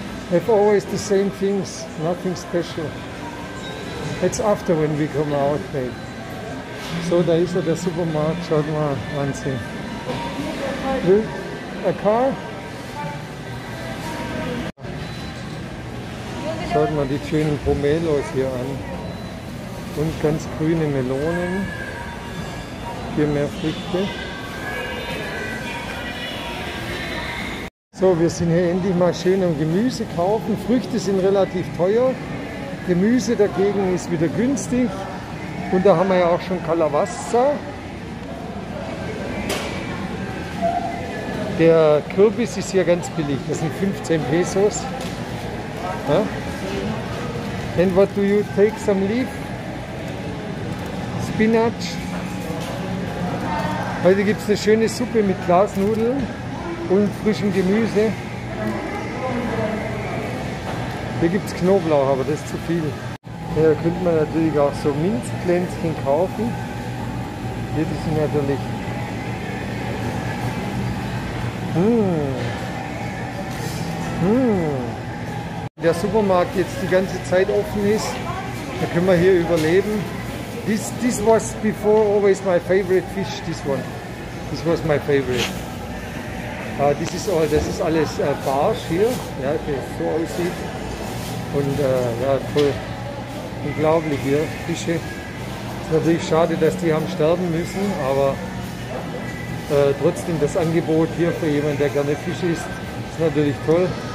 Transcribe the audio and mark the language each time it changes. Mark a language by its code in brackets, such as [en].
[en] Have always the same things, nothing special. It's after when we come out, babe. [de] So, da ist ja der Supermarkt, schaut mal, Wahnsinn. [en] Will a car? [de] Schaut mal die schönen Pomelos hier an. Und ganz grüne Melonen. Hier mehr Früchte. So, wir sind hier endlich mal schön am Gemüse kaufen. Früchte sind relativ teuer. Gemüse dagegen ist wieder günstig. Und da haben wir ja auch schon Calabaza. Der Kürbis ist hier ganz billig. Das sind 15 Pesos. Ja? [en] And what do you take some leaf? Spinach. [de] Heute gibt es eine schöne Suppe mit Glasnudeln und frischem Gemüse. Hier gibt es Knoblauch, aber das ist zu viel. Hier könnte man natürlich auch so Minzglänzchen kaufen. Hier, die sind natürlich... Der Supermarkt jetzt die ganze Zeit offen ist, da können wir hier überleben. [en] This was before always my favorite fish, this one. This was my favorite. This is all, [de] das ist alles Barsch hier, ja, wie es so aussieht. Und ja, voll unglaublich hier, Fische. Es ist natürlich schade, dass die haben sterben müssen, aber trotzdem das Angebot hier für jemanden, der gerne Fisch isst, ist natürlich toll.